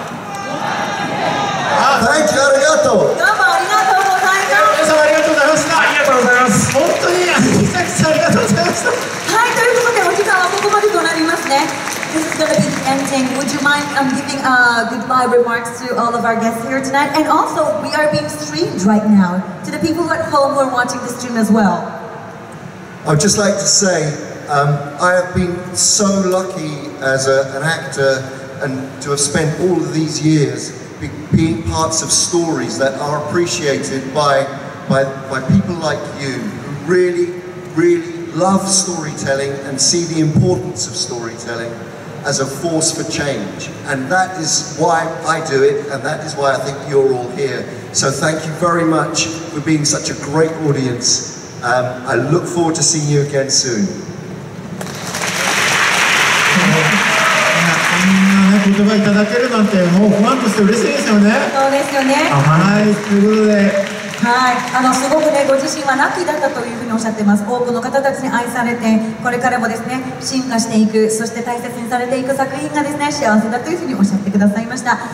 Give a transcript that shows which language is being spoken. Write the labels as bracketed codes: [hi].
[en] Thank you, [ja] ありがとう。どうもありがとうございます。皆さんありがとうございました。ありがとうございます。本当にありがとうございました。はい、ということでお時間はここまでとなりますね。 [en] This is gonna be the ending. Would you mind giving a goodbye remarks to all of our guests here tonight? And also, we are beingRight now to the people at home who are watching the stream as well. I'd just like to say I have been so lucky as an actor and to have spent all of these years being parts of stories that are appreciated by people like you who really, really love storytelling and see the importance of storytelling as a force for change. And that is why I do it, and that is why I think you're all here. So thank you very much for being such a great audience. I look forward to seeing you again soon. [ja] こんな言葉いただけるなんて、もうファンとして嬉しいですよね。そうですよね。はい、ということで。はい、あのすごくね、ご自身はラッキーだったというふうにおっしゃってます。多くの方たちに愛されて、これからもですね、進化していく、そして大切にされていく作品がですね、幸せだというふうにおっしゃってくださいました。